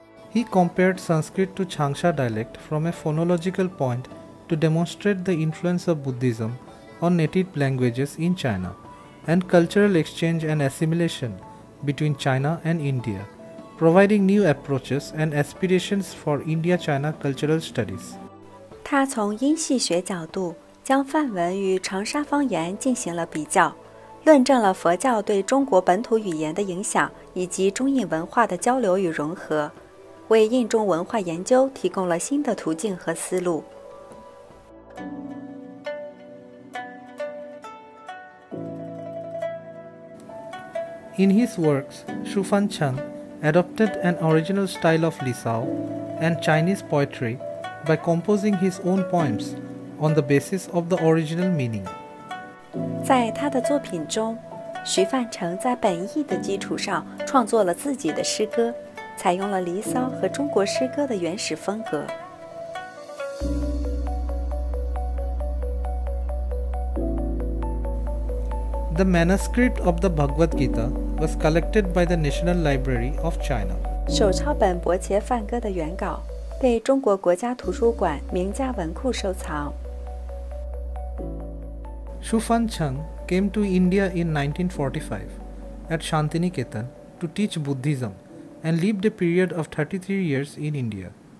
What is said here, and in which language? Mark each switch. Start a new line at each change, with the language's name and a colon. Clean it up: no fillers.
English: He compared Sanskrit to Changsha dialect from a phonological point to demonstrate the influence of Buddhism on native languages in China and cultural exchange and assimilation between China and India, providing new approaches and aspirations for India-China cultural studies.
Chinese: 他从音系学角度将梵文与长沙方言进行了比较，论证了佛教对中国本土语言的影响以及中印文化的交流与融合，为印中文化研究提供了新的途径和思路。
English: In his works, XuFancheng adopted an original style of Li Sao and Chinese poetryby composing his own poems on the basis of the original meaning.
Chinese: 在他的作品中，徐范成在本意的基础上创作了自己的诗歌，采用了《离骚》和中国诗歌的原始风格。
English: The manuscript of the Bhagavad Gita was collected by the National Library of China.
Chinese: 手抄本《薄伽梵歌》的原稿被中国国家图书馆名家文库收藏。
English: XuFancheng came to India in 1945 at Shantiniketan to teach Buddhism and lived a period of 33 years in India.